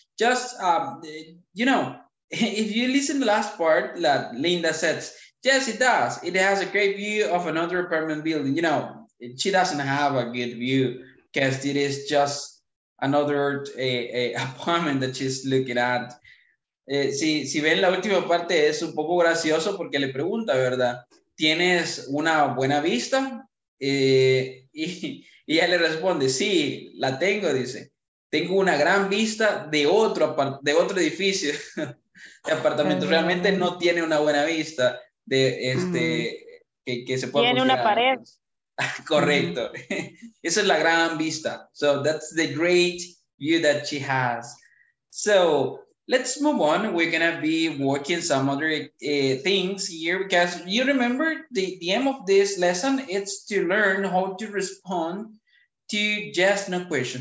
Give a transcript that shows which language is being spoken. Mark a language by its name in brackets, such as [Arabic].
[English] Just, if you listen to the last part that Linda says, yes, it does. It has a great view of another apartment building. You know, she doesn't have a good view because it is just another apartment that she's looking at. [Spanish] Si ven la última parte, es un poco gracioso porque le pregunta, ¿verdad? ¿Tienes una buena vista? Y ella le responde, sí, la tengo, dice. Tengo una gran vista de otro edificio de apartamento. Realmente no tiene una buena vista de que se pueda. Tiene una pared. Correcto. Esa es la gran vista. [English] So that's the great view that she has. So let's move on. We're going to be working some other things here because you remember the aim of this lesson is to learn how to respond to yes, no question.